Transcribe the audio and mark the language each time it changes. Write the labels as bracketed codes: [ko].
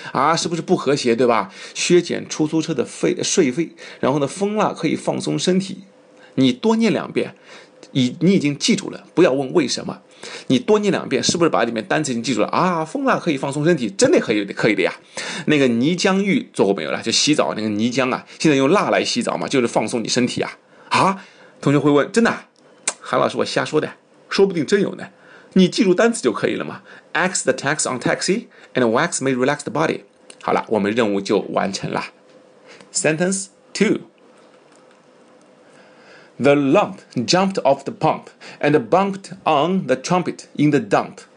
[zh] 啊，是不是不和谐，对吧？削减出租车的税费，然后呢，风蜡可以放松身体，你多念两遍，你已经记住了，不要问为什么，你多念两遍，是不是把里面单词已经记住了啊？风蜡可以放松身体，真的可以的呀。那个泥浆浴做过没有了？就洗澡那个泥浆啊，现在用蜡来洗澡嘛，就是放松你身体啊。啊，同学会问，真的？韩老师，我瞎说的，说不定真有呢。你记住单词就可以了嘛。 [en] X the tax on taxi and wax may relax the body。 [zh] 好了，我们任务就完成了。 [en] Sentence two. The lump jumped off the pump and bumped on the trumpet in the dump.